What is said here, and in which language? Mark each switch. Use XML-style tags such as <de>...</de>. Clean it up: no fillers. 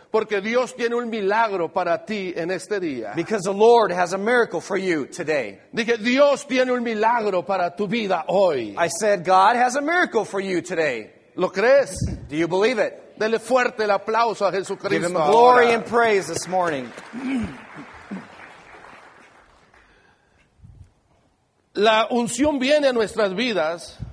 <es>Porque Dios tiene un milagro para ti en este día.</es> <en>Because the Lord has a miracle for you today.</en> <es>Dije, Dios tiene un milagro para tu vida hoy.</es> <en>I said, God has a miracle for you today.</en> <es>¿Lo crees?</es> <en>Do you believe it?</en> <es>Dele fuerte el aplauso a Jesucristo.</es> <en>Give him glory and praise this morning.</en> <es>La unción viene a nuestras vidas.</es>